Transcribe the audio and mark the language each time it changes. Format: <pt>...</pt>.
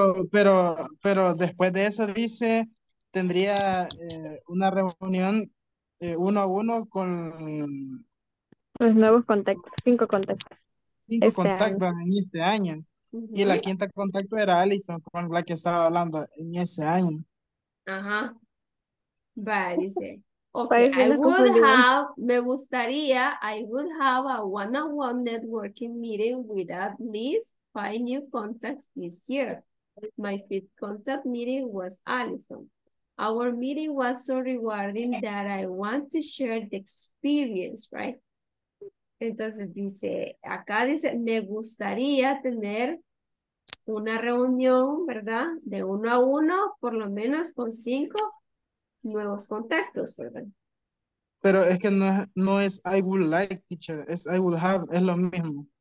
<es>Pero después de eso dice, tendría una reunión uno a uno con los nuevos contactos, cinco contactos. Cinco este contactos año. En este año. Uh-huh. Y la quinta contacto era Allison, con la que estaba hablando en ese año. Ajá. Vale, dice.</es> <en>Okay, I would have a one-on-one networking meeting with at least five new contacts this year. My fifth contact meeting was Allison. Our meeting was so rewarding that I want to share the experience, right?</en> <es>Entonces dice, acá dice, me gustaría tener una reunión, ¿verdad? De uno a uno, por lo menos con cinco nuevos contactos, ¿verdad? Pero es que no es</es> <en>I would like,</en> <es>teacher, es</es> <en>I would have,</en> <es>es lo mismo.</es>